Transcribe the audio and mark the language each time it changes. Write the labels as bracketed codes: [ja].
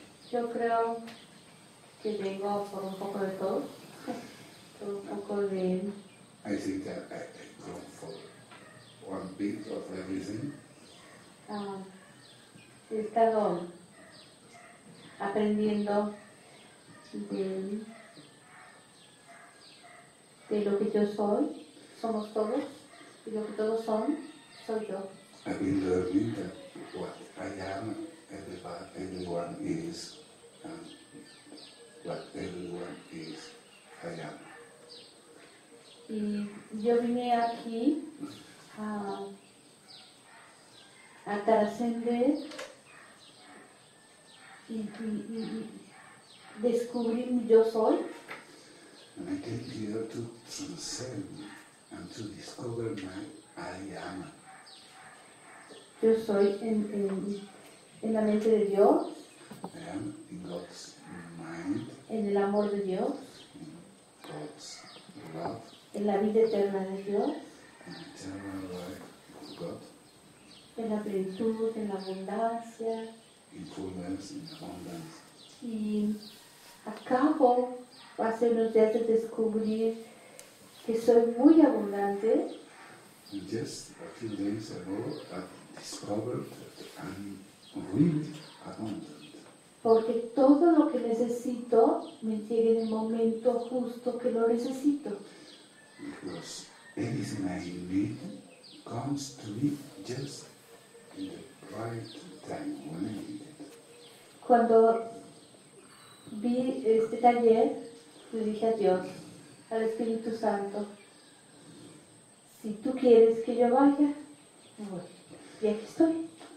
[es] Yo creo que vengo por un poco de todo. Por un poco de... [en] I think that I come for one bit of everything. [es] He estado aprendiendo de lo que yo soy, somos todos, y lo que todos son, soy yo. [en] I've been learning that what I am, everyone is, and what everyone is, I am. [es] Y yo vine aquí a trascender y descubrir mi yo soy. [en] And I came here to transcend and to discover my I am. [es] Yo soy en la mente de Dios. [en] I am in God's mind. [es] En el amor de Dios. [en] In God's love. [es] En la vida eterna de Dios. [en] In eternal life of God. [es] En la plenitud, en la abundancia. [en] In fullness, in abundance. [es] Y acabo. Hace unos días de descubrir que soy muy abundante. [en] Just a few days ago, I discovered that I'm really abundant. [es] Porque todo lo que necesito me llega en el momento justo que lo necesito. [en] Because anything I need comes to me just in the right time when I need it. [es] Cuando vi este taller, le dije a Dios, al Espíritu Santo, si tú quieres que yo vaya, me voy. Y aquí estoy.